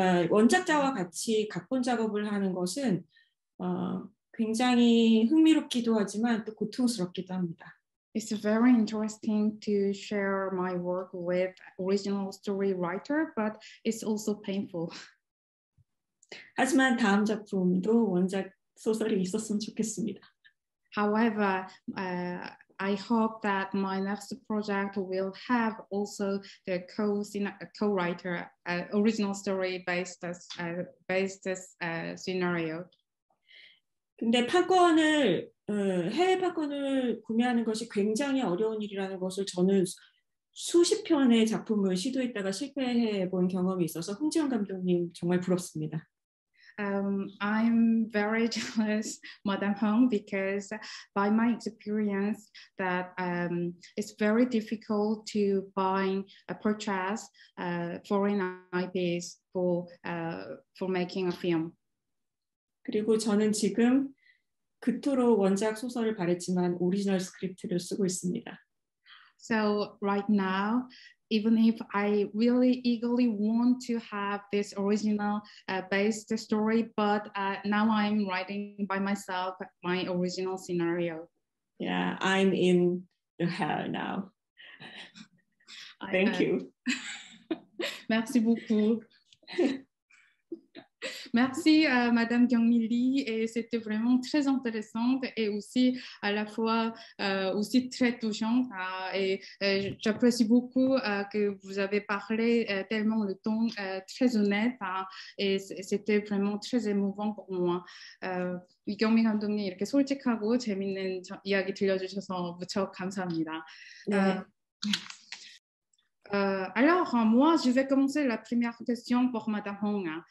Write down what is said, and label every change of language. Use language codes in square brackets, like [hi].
[ko] 원작자와 같이 각본 작업을 하는 것은 굉장히 흥미롭기도 하지만 또 고통스럽기도 합니다. [en] It's very interesting to share my work with original story writer, but it's also painful. [ko] 하지만 다음 작품도 원작 소설이 있었으면 좋겠습니다. [en] However, I hope that my next project will have also the co-writer original story based scenario. [ko] 근데 판권을 해외 판권을 구매하는 것이 굉장히 어려운 일이라는 것을 저는 수십 편의 작품을 시도했다가 실패해 본 경험이 있어서 홍지영 감독님 정말 부럽습니다. [en] I'm very jealous, Madam Hong, because by my experience that it's very difficult to buy a purchase foreign IPs for making a film. [ko] 그리고 저는 지금 그토록 원작 소설을 바랬지만 오리지널 스크립트를 쓰고 있습니다. [en] So right now, even if I really eagerly want to have this original based story, but now I'm writing by myself my original scenario. Yeah, I'm in the hell now. Thank you. [fr] Merci beaucoup. Merci Madame Gyeongmi, et c'était vraiment très intéressante et aussi à la fois aussi très touchante. Et j'apprécie beaucoup que vous avez parlé tellement le ton très honnête et c'était vraiment très émouvant pour moi. [ko] 이경미 감독님 이렇게 솔직하고 재밌는 이야기 들려주셔서 무척 감사합니다. [fr] Alors, moi, je vais commencer la première question pour Madame Hong.